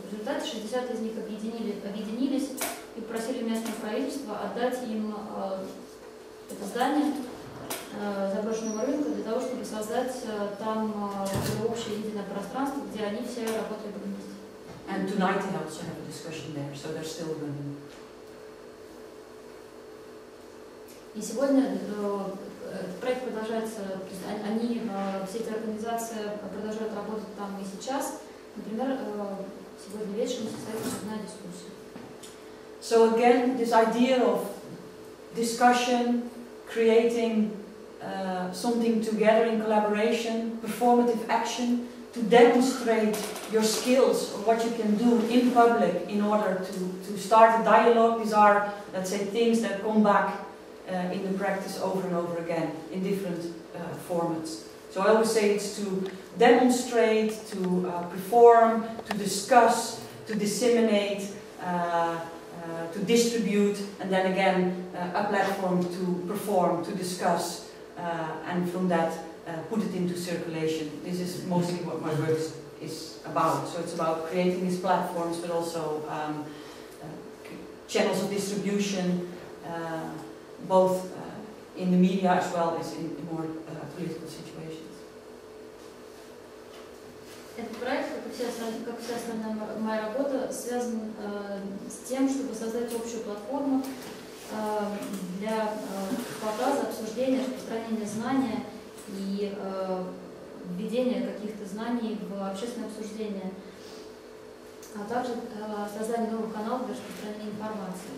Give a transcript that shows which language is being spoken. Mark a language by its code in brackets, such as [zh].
[ru] В результате 60 из них объединились и просили местное правительство отдать им это здание заброшенного рынка для того, чтобы создать там общее единое пространство, где они все работали бы вместе. [en] And tonight they also have a discussion there, so they're still running. [ru] И сегодня проект продолжается, то есть они, все эти организации продолжают работать там и сейчас. Например, сегодня вечером состоится одна дискуссия. [en] So again, this idea of discussion, creating something together in collaboration, performative action, to demonstrate your skills or what you can do in public in order to start a dialogue, these are, let's say, things that come back in the practice over and over again in different formats. So I always say it's to demonstrate, to perform, to discuss, to disseminate, to distribute, and then again a platform to perform, to discuss, and from that put it into circulation. This is mostly what my work is about. So it's about creating these platforms, but also channels of distribution, both in the media as well as in more political situations. [ru] Этот проект, как вся остальная моя работа, связан с тем, чтобы создать общую платформу для показа, обсуждения, распространения знания и введения каких-то знаний в общественное обсуждение, а также создание новых каналов для распространения информации.